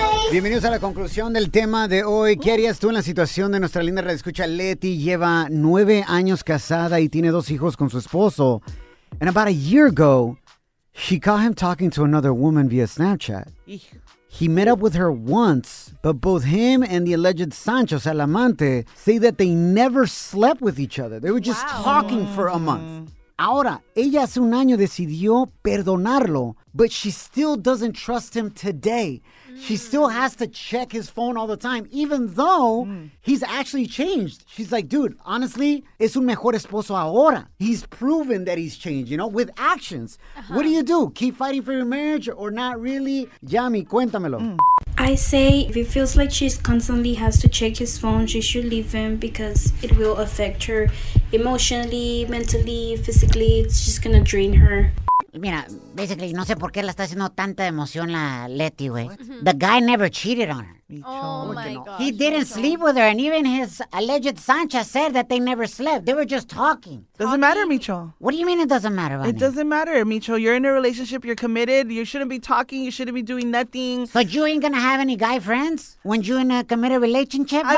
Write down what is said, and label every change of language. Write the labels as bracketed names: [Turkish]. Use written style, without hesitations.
[Spanish] Bienvenidos a la conclusión del tema de hoy. ¿Qué harías tú en la situación de nuestra linda radioescucha Leti? Lleva 9 años casada y tiene 2 hijos con su esposo. [English] And about a year ago, she caught him talking to another woman via Snapchat. He met up with her once, but both him and the alleged Sancho, [Spanish] o sea, el amante, [English] say that they never slept with each other. They were just talking for a month. [Spanish] Ahora, ella hace un año decidió perdonarlo, [English] but she still doesn't trust him today. She still has to check his phone all the time, even though he's actually changed. She's like, dude, honestly, [Spanish] es un mejor esposo ahora. [English] He's proven that he's changed, you know, with actions. Uh-huh. What do you do? Keep fighting for your marriage or not really? [Spanish] Yami, cuéntamelo. [English] I say if it feels like she constantly has to check his phone, she should leave him because it will affect her emotionally, mentally, physically. It's just going to drain her. [Spanish] Mira, basically, no sé por qué la está haciendo tanta emoción la Leti, güey. [English] The guy never cheated on her. He didn't sleep with her, and even his alleged Sancha said that they never slept. They were just talking. Doesn't matter, Micho. What do you mean it doesn't matter, Bunny? It doesn't matter, Micho. You're in a relationship. You're committed. You shouldn't be talking. You shouldn't be doing nothing. So you ain't going to have any guy friends when you're in a committed relationship, Bunny?